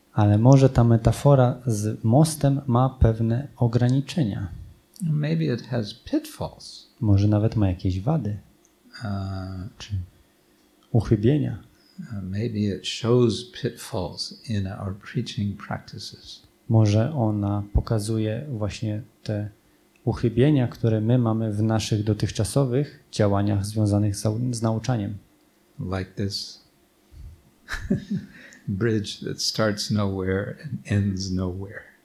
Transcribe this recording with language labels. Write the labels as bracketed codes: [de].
[pl] Ale może ta metafora z mostem ma pewne ograniczenia. [en] Maybe it has pitfalls. [pl] Może nawet ma jakieś wady. Czy uchybienia. [en] Maybe it shows pitfalls in our preaching practices. [pl] Może ona pokazuje właśnie te uchybienia, które my mamy w naszych dotychczasowych działaniach związanych z nauczaniem. [en] Like this bridge that starts nowhere and ends nowhere.